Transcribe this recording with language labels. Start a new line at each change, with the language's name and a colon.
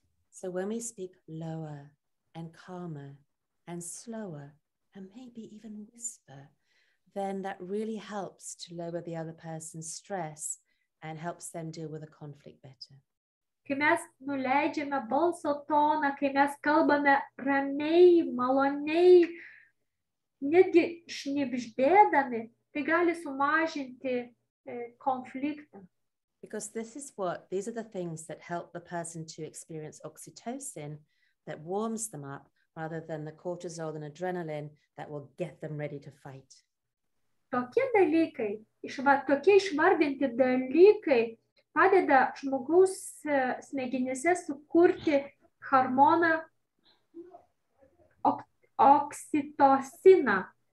English: So when we speak lower and calmer and slower and maybe even whisper, then that really helps to lower the other person's stress and helps them deal with a conflict better.
Lithuanian: Kai mes nuleidžiame balso toną, kai mes kalbame ramiai, maloniai, netgi šnibždėdami, tai gali sumažinti konfliktą.
English: Because this is what, these are the things that help the person to experience oxytocin that warms them up rather than the cortisol and adrenaline that will get them ready to fight.
Lithuanian: Tokie dalykai, tokie išvardinti dalykai, padeda žmogaus smegenyse sukurti hormoną oksitociną.